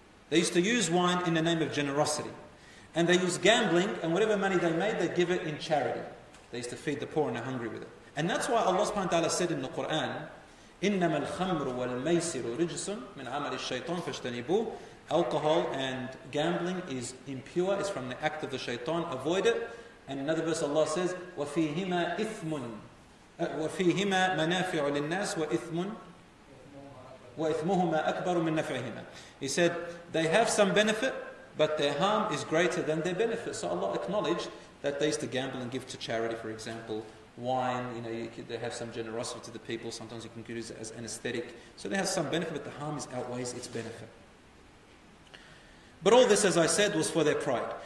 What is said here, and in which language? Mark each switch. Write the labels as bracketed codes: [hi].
[en] They used to use wine in the name of generosity. And they used gambling, and whatever money they made, they'd give it in charity. They used to feed the poor and the hungry with it. And that's why Allah subhanahu wa ta'ala said in the Quran, [ar] إِنَّمَا الْخَمْرُ وَالْمَيْسِرُ رِجْسٌ مِنْ عَمَلِ الشَّيْطَانِ فَاشْتَنِبُوا. [en] Alcohol and gambling is impure, it's from the act of the shaitan, avoid it. And another verse Allah says, [ar] وَفِيهِمَا إِثْمٌ وَفِيهِمَا مَنَافِعُ لِلنَّاسِ وَإِثْمٌ وَإِثْمُهُمَا أَكْبَرُ مِنْ نَفْعِهِمَا. [en] He said, they have some benefit, but their harm is greater than their benefit. So Allah acknowledged that they used to gamble and give to charity, for example. Wine, you know, they have some generosity to the people. Sometimes you can use it as anesthetic. So it has some benefit, but the harm outweighs its benefit. But all this, as I said, was for their pride.